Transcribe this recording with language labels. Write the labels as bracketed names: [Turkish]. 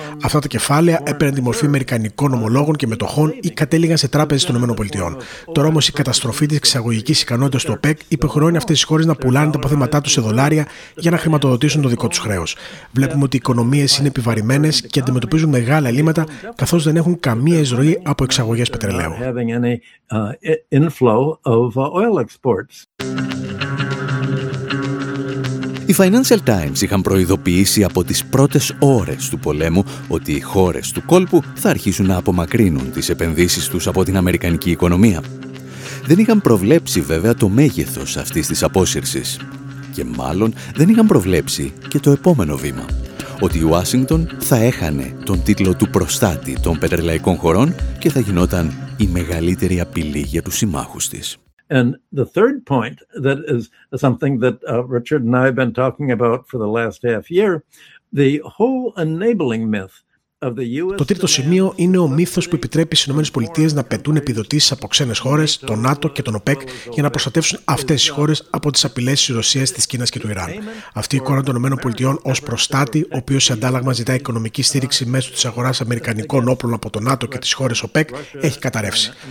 [Greek] Αυτά τα κεφάλαια έπαιρναν τη μορφή αμερικανικών ομολόγων και μετοχών ή κατέληγαν σε τράπεζες των Ηνωμένων Πολιτείων. Τώρα όμως η καταστροφή της εξαγωγικής ικανότητας του ΟΠΕΚ υποχρεώνει αυτές τις χώρες να πουλάνε τα αποθέματά τους σε δολάρια για να χρηματοδοτήσουν το δικό τους χρέος. Βλέπουμε ότι οι οικονομίες είναι επιβαρημένες και αντιμετωπίζουν μεγάλα ελλείμματα καθώς δεν έχουν καμία εισρωή από εξαγωγές πετρελαίου. [English] Having any inflow of oil exports. [Greek] Οι Financial Times είχαν προειδοποιήσει από τις πρώτες ώρες του πολέμου ότι οι χώρες του κόλπου θα αρχίσουν να απομακρύνουν τις επενδύσεις τους από την αμερικανική οικονομία. Δεν είχαν προβλέψει βέβαια το μέγεθος αυτής της απόσυρσης. Και μάλλον δεν είχαν προβλέψει και το επόμενο βήμα. Ότι η Ουάσιγκτον θα έχανε τον τίτλο του προστάτη των πετρελαϊκών χωρών και θα γινόταν η μεγαλύτερη απειλή για τους συμμάχους της. [English] And the third point that is something that Richard and I have been talking about for the last half year, the whole enabling myth. [Greek] Το τρίτο σημείο είναι ο μύθος που επιτρέπει στις ΗΠΑ να πετούν επιδοτήσεις από ξένες χώρες, το ΝΑΤΟ και τον ΟΠΕΚ για να προστατεύσουν αυτές τις χώρες από τις απειλές της Ρωσίας, της Κίνας και του Ιράν. Αυτή η εικόνα των ΗΠΑ ως προστάτη, ο οποίος σε αντάλλαγμα ζητά οικονομική στήριξη μέσω της αγοράς αμερικανικών όπλων από το ΝΑΤΟ και τις χώρες ΟΠΕΚ, έχει καταρρεύσει.